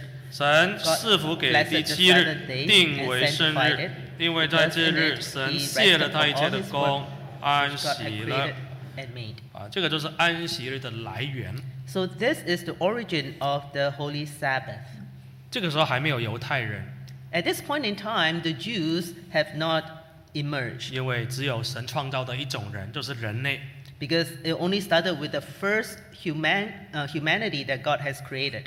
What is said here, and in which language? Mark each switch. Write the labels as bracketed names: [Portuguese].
[Chinese] 神赐福给第七日，定为圣日，因为在这日神卸了他一切的功，安息了。啊，这个就是安息日的来源。So [English] this is the origin of the Holy Sabbath. [Chinese] 这个时候还没有犹太人。At [English] this point in time, the Jews have not emerged. [Chinese] 因为只有神创造的一种人，就是人类。Because [English] it only started with the first humanity that God has created.